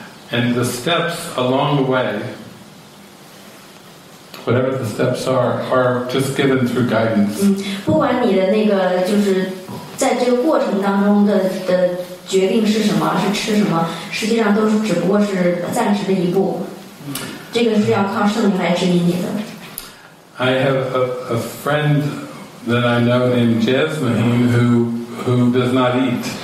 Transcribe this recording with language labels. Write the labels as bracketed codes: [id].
[en] And the steps along the way, whatever the steps are just given through guidance. [zh] 不管你的那个就是在这个过程当中的决定是什么，是吃什么，实际上都是只不过是暂时的一步。这个是要靠圣灵来指引你的。 [en] I have a friend. That I know named Jasmine, who does not eat.